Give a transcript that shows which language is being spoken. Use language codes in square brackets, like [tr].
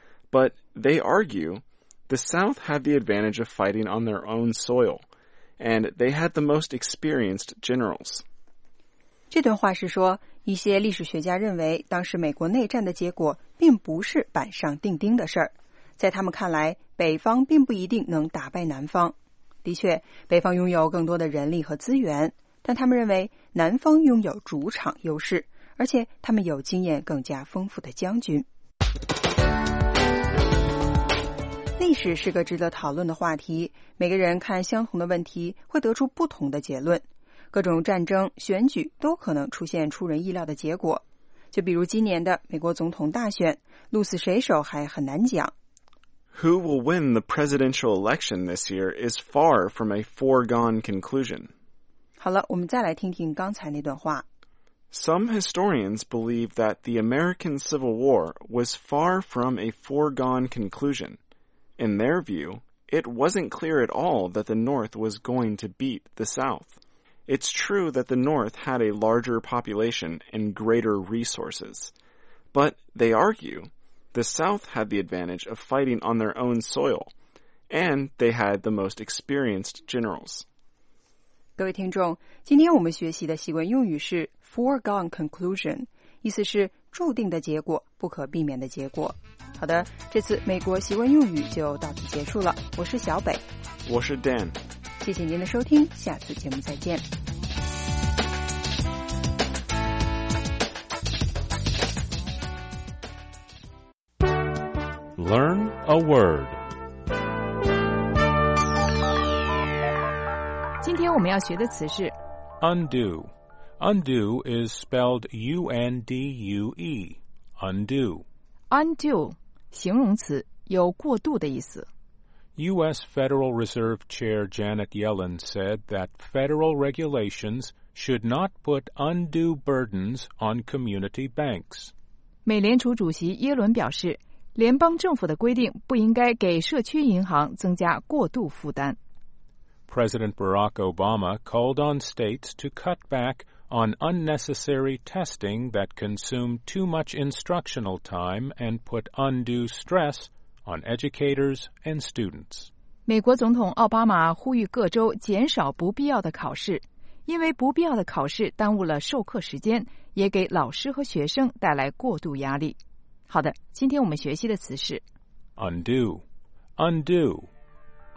[en] But, they argue, the South had the advantage of fighting on their own soil, and they had the most experienced generals. [zh] 这段话是说，一些历史学家认为当时美国内战的结果并不是板上钉钉的事儿。在他们看来，北方并不一定能打败南方。的确，北方拥有更多的人力和资源，但他们认为南方拥有主场优势，而且他们有经验更加丰富的将军。历史是个值得讨论的话题，每个人看相同的问题会得出不同的结论，各种战争、选举都可能出现出人意料的结果。就比如今年的美国总统大选，鹿死谁手还很难讲。 [en] Who will win the presidential election this year is far from a foregone conclusion. [zh] 好了，我们再来听听刚才那段话。 [en] Some historians believe that the American Civil War was far from a foregone conclusion. In their view, it wasn't clear at all that the North was going to beat the South. It's true that the North had a larger population and greater resources. But they argue... The South had the advantage of fighting on their own soil, and they had the most experienced generals. [zh] 各位听众，今天我们学习的习惯用语是 foregone conclusion, 意思是注定的结果，不可避免的结果。好的，这次美国习惯用语就到此结束了。我是小北。我是 Dan。谢谢您的收听，下次节目再见。 [en] Learn a word. [zh] 今天我们要学的词是 [en] undo. Undo is spelled U-N-D-U-E. Undo. [zh] Undo, 形容词，有过度的意思。 [en] U.S. Federal Reserve Chair Janet Yellen said that federal regulations should not put undue burdens on community banks. [zh] 美联储主席耶伦表示联邦政府的规定不应该给社区银行增加过度负担。 [en] President Barack Obama called on states to cut back on unnecessary testing that consumed too much instructional time and put undue stress on educators and students. [zh] 美国总统奥巴马呼吁各州减少不必要的考试，因为不必要的考试耽误了授课时间，也给老师和学生带来过度压力。好的，今天我们学习的词是 [en] undo, undo, undo.